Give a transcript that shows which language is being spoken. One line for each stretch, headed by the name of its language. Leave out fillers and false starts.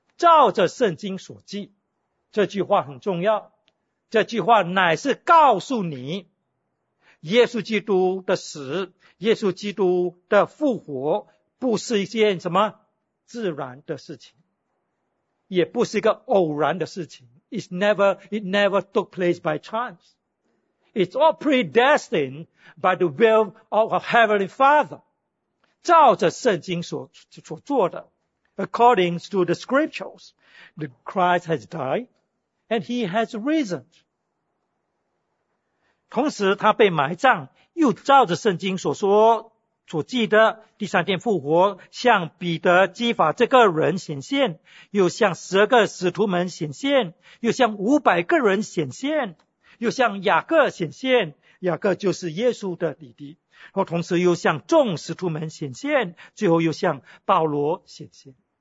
Chinese: 照着圣经所记，这句话很重要，这句话乃是告诉你耶稣基督的死，耶稣基督的复活不是一件什么自然的事情，也不是一个偶然的事情。
English: It never took place by chance. It's all predestined by the will of our Heavenly Father.
Chinese: 照着圣经 所做的。
English: According to the scriptures, the Christ has diedAnd he has risen.
Chinese: 同时他被埋葬，又照着圣经所说所记得第三天复活，向彼得基法这个人显现，又向十个使徒们显现，又向五百个人显现，又向雅各显现，雅各就是耶稣的弟弟，然后同时又向众使徒们显现，最后又向保罗显现。